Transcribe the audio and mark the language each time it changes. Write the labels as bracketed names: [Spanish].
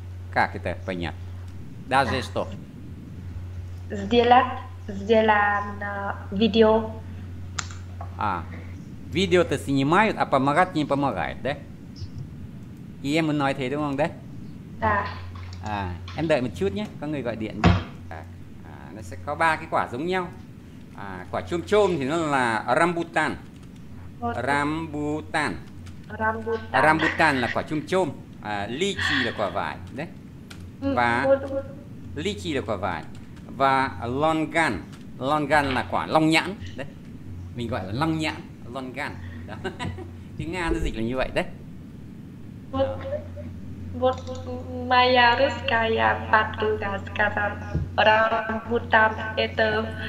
[Russian] Как это понять? Даже что? Сделано видео. А, видео-то снимают, а помогать не помогает, да? И ему на это, да? Да. [Vietnamese] А, em đợi một chút nhé, có người gọi điện. А, nó sẽ có ba cái quả giống nhau. А, quả chôm chôm thì nó là rambutan. [English] Rambutan. Rambutan. [Vietnamese] Rambutan là quả chôm chôm. А, lychee là quả vải, đấy. Và lý chi là quả vải. Và longan. Longan là quả long nhãn đấy. Mình gọi là long nhãn. Longan. Tiếng Nga nó dịch là như vậy đấy. [Russian] Вот моя русская подруга сказала рамбутан это